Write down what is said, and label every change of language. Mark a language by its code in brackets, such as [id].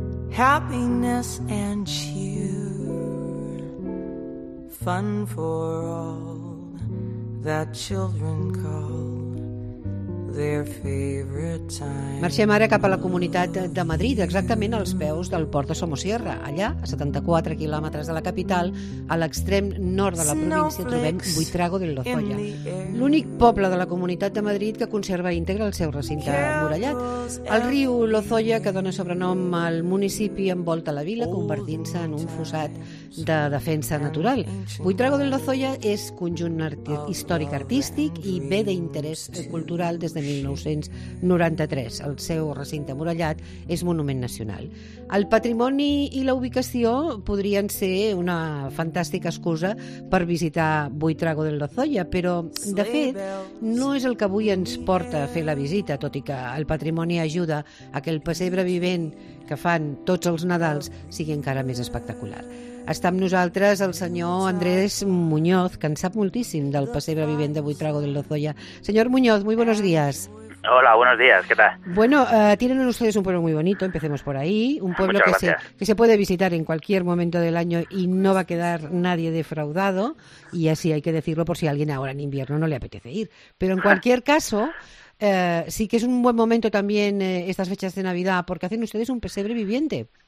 [en] Happiness and cheer, fun for all that children call their favorite time. [ca] Marxem ara cap a la comunitat de Madrid, exactament als peus del port de Somosierra. Allà, a 74 quilòmetres de la capital, a l'extrem nord de la província, trobem Buitrago de Lozoya, l'únic poble de la comunitat de Madrid que conserva íntegre el seu recinte murallat. El riu Lozoya, que dona sobrenom al municipi, envolta la vila, convertint-se en un fossat de defensa natural. Buitrago de Lozoya és conjunt històric-artístic i bé d'interès cultural des de 1993. El seu recinte murallat és monument nacional. El patrimoni i la ubicació podrien ser una fantàstica excusa per visitar Buitrago de Lozoya, però, de fet, no és el que avui ens porta a fer la visita, tot i que el patrimoni ajuda a que el pessebre vivent que fan tots els Nadals sigui encara més espectacular. Està amb nosaltres el senyor Andrés Muñoz, que en sap moltíssim del pessebre vivent de Buitrago de Lozoya. [es] Senyor Muñoz, muy buenos días. Hola, buenos días, ¿qué tal? Bueno, tienen ustedes un pueblo muy bonito, empecemos por ahí. Un pueblo que se puede visitar en cualquier momento del año y no va a quedar nadie defraudado. Y así hay que decirlo por si a alguien ahora en invierno no le apetece ir. Pero en cualquier caso, sí que es un buen momento también estas fechas de Navidad, porque hacen ustedes un pesebre viviente.